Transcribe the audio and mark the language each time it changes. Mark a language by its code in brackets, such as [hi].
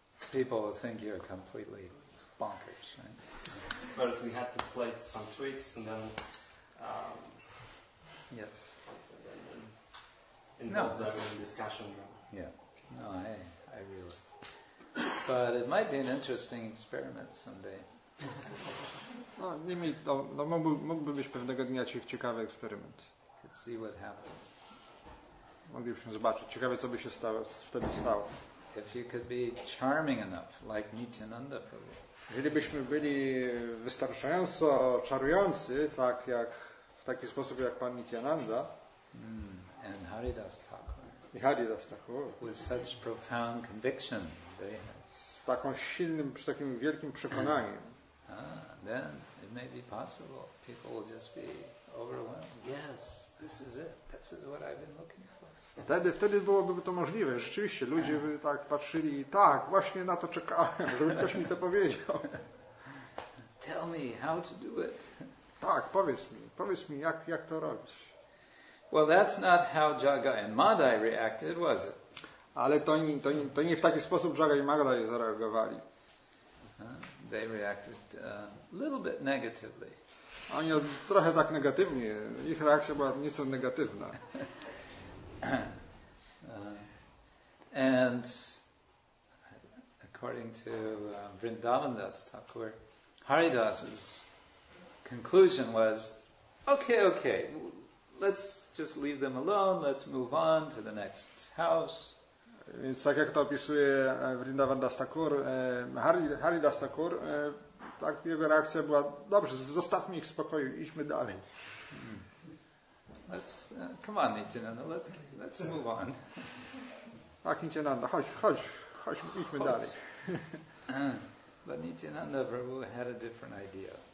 [en] people will think you're completely bonkers, right? So first we had to play some tricks and then yes. And involved them in discussion. Yeah. No, I realize. But it might be an interesting experiment someday. [pl] No, niemniej to mógłby być pewnego dnia ciekawy eksperyment. [en] Could see what happens. [pl] Moglibyśmy zobaczyć. Ciekawe, co by się wtedy stało. [en] If you could be charming enough, like Nityananda Prabhu. [pl] Jeżeli byśmy byli wystarczająco czarujący, tak jak w taki sposób jak Pan Nityananda. [en] And Haridas talk. [pl] I Haridas Thakur. [en] With such profound conviction they have. [pl] Z taką silnym, z takim wielkim przekonaniem. [en] Then it may be possible. People will just be overwhelmed. Yes, this is it. This is what I've been looking for. [pl] Wtedy byłoby to możliwe. Rzeczywiście, ludzie by tak patrzyli, tak, właśnie na to czekałem, żeby ktoś mi to powiedział. [en] Tell me how to do it. [pl] Tak, powiedz mi, jak to robić. [en] Well, that's not how Jaga and Madai reacted, was it? [pl] Ale to nie w taki sposób Jaga i Madai zareagowali. [en] They reacted a little bit negatively. [pl] Oni trochę tak negatywnie. Ich reakcja była nieco negatywna. [en] And according to Vrindavandas Thakur, Haridas's conclusion was, okay. Let's just leave them alone. Let's move on to the next house. [pl] Więc tak jak to opisuje Vrindavandas Thakur, Haridas Thakur, tak jego reakcja była, dobrze, zostawmy ich w spokoju, idźmy dalej. [en] Let's come on, Nityananda. Let's move on. [pl] Tak, Nityananda, chodź, idźmy dalej. [en] But Nityananda Prabhu had a different idea.